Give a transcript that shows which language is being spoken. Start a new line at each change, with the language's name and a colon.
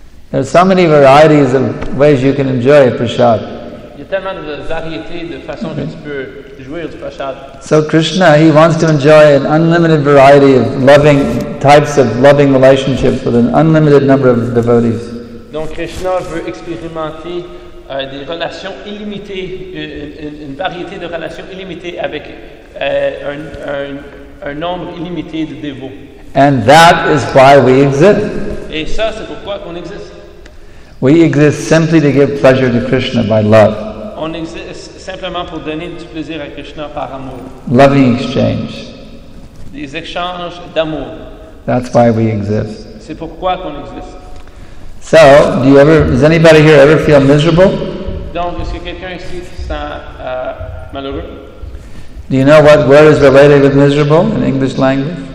English: There's so many varieties of ways you can enjoy a prasad. There's so many varieties of ways you can enjoy a prasad. So Krishna, he wants to enjoy an unlimited variety of loving types of loving relationships with an unlimited number of devotees.
French: Donc Krishna veut expérimenter des relations illimitées, une variété de relations illimitées avec un nombre illimité de dévots.
English: And that is why we exist.
French: Et ça, c'est pourquoi on existe.
English: We exist simply to give pleasure to Krishna by love.
French: On existe simplement pour donner du plaisir à Krishna par amour.
English: Loving exchange.
French: Des échanges d'amour.
English: That's why we exist.
French: C'est pourquoi on existe.
English: So, does anybody here ever feel miserable?
French: Donc, est-ce que quelqu'un ici se sent malheureux?
English: Do you know what word is related with miserable in English language?